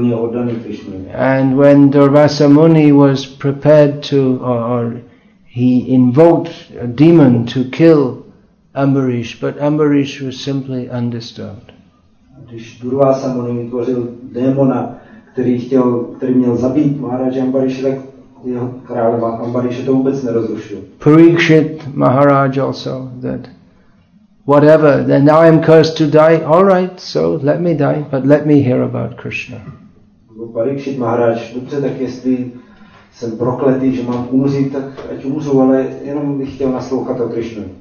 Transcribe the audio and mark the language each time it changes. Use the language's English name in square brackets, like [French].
[English] And when Durvasa Muni was prepared to, or he invoked a demon to kill Ambarish, but Ambarish was simply undisturbed. [Czech] Když Durvasa Muni vytvořil démona, který měl zabít Maharaj Ambarish, tak jeho králeva Ambarish to vůbec nerozrušil. [English] Parikshit Maharaj also that. Whatever, then now I'm cursed to die. All right, so let me die, but let me hear about Krishna. [Czech] Parikshit Maharaj, dobře, tak jestli jsem prokletý, že mám umřít, tak ať umřu, ale jenom bych chtěl naslouchat o Krishna.